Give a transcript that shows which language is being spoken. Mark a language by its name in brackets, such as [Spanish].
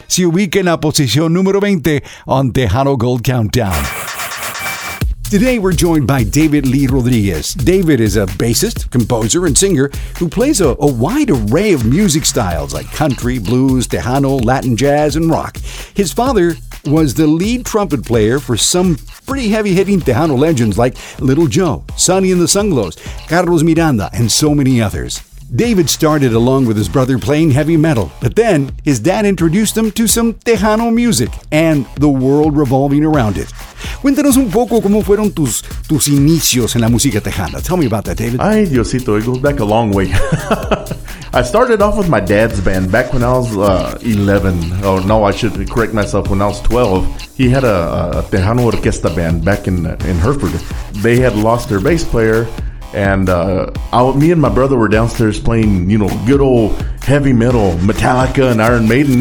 [Spanish] Se ubica en la posición número 20 [English] on Tejano Gold Countdown. Today we're joined by David Lee Rodriguez. David is a bassist, composer, and singer who plays a wide array of music styles like country, blues, Tejano, Latin jazz, and rock. His father was the lead trumpet player for some pretty heavy-hitting Tejano legends like Little Joe, Sonny and the Sunglows, Carlos Miranda, and so many others. David started along with his brother playing heavy metal, but then his dad introduced him to some Tejano music and the world revolving around it. [Spanish] Cuéntanos un poco cómo fueron tus inicios en la música Tejana. [English] Tell me about that, David. [Spanish] Ay, Diosito, [English] it goes back a long way. I started off with my dad's band back when I was 11. Oh, no, I should correct myself. When I was 12, he had a Tejano orquesta band back in Hereford. They had lost their bass player, and me and my brother were downstairs playing, you know, good old heavy metal, Metallica and Iron Maiden.